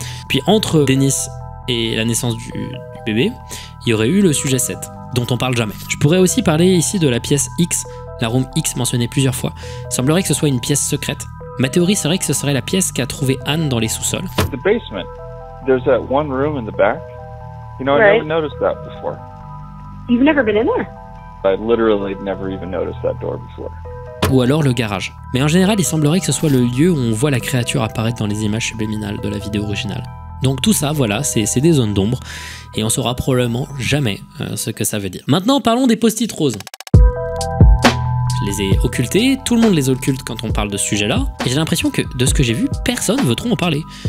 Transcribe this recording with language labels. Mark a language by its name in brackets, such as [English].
[French] Puis entre Dennis et la naissance du bébé, il y aurait eu le sujet 7, dont on parle jamais. Je pourrais aussi parler ici de la pièce X, la room X mentionnée plusieurs fois. Il semblerait que ce soit une pièce secrète. Ma théorie serait que ce serait la pièce qu'a trouvée Anne dans les sous-sols. [English] The basement. There's that one room in the back. You know, right. I never noticed that before. You've never been in there? I literally never even noticed that door before. [French] Ou alors le garage. Mais en général, il semblerait que ce soit le lieu où on voit la créature apparaître dans les images subliminales de la vidéo originale. Donc tout ça, voilà, c'est des zones d'ombre. Et on saura probablement jamais ce que ça veut dire. Maintenant, parlons des post-it roses. Je les ai occultés, tout le monde les occulte quand on parle de ce sujet-là, et j'ai l'impression que, de ce que j'ai vu, personne ne veut trop en parler.